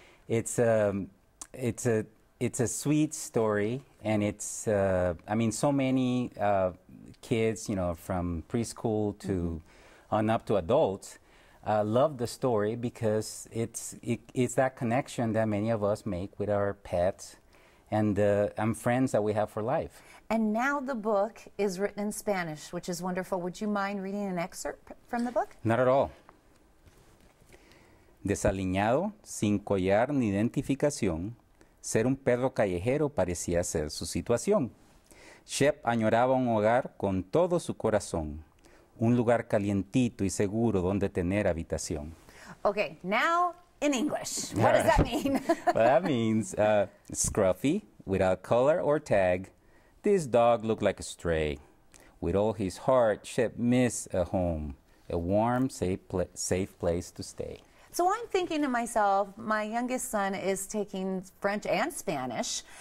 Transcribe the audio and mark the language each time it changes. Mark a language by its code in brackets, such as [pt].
[en] It's a sweet story, and it's, I mean, so many kids, you know, from preschool to on up to adults, love the story because it's that connection that many of us make with our pets and friends that we have for life. And now the book is written in Spanish, which is wonderful. Would you mind reading an excerpt from the book? Not at all. [es] Desaliñado, sin collar ni identificación, ser un perro callejero parecía ser su situación. Shep añoraba un hogar con todo su corazón. Un lugar calientito y seguro donde tener habitación. [en] Okay, now in English. What does that mean? Well, that means scruffy, without color or tag. This dog looked like a stray. With all his heart, Shep missed a home, a warm, safe place to stay. So I'm thinking to myself, my youngest son is taking French and Spanish.